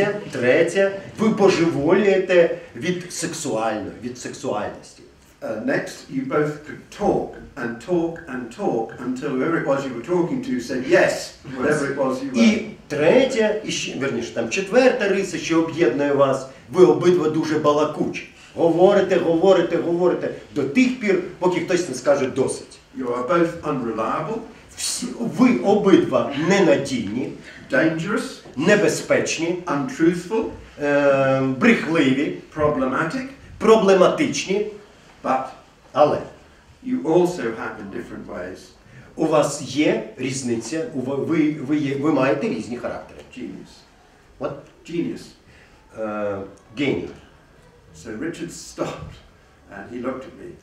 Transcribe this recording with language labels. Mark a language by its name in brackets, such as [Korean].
[Ukrainian] Третє, ви божеволюєте від сексуальності. [English] Next, you both could talk and talk and talk until whoever it was you were talking to said yes, whatever it was you were. [Ukrainian] І третє, четверта риса, що об'єднує вас, ви обидва дуже балакучі. Говорите до тих пір, поки хтось не скаже досить. [English] You are both unreliable. [Ukrainian] Ви обидва ненадійні. [English] Dangerous. [Ukrainian] Небезпечні. [English] Untruthful. [Ukrainian] Брехливі. [English] Problematic. [Ukrainian] Проблематичні. [English] But [Ukrainian] але [English] you also happen different ways. [Ukrainian] У вас є різниця, ви маєте різні характери. [English] Genius. What? Genius. Genius. So Richard stopped and he looked at me.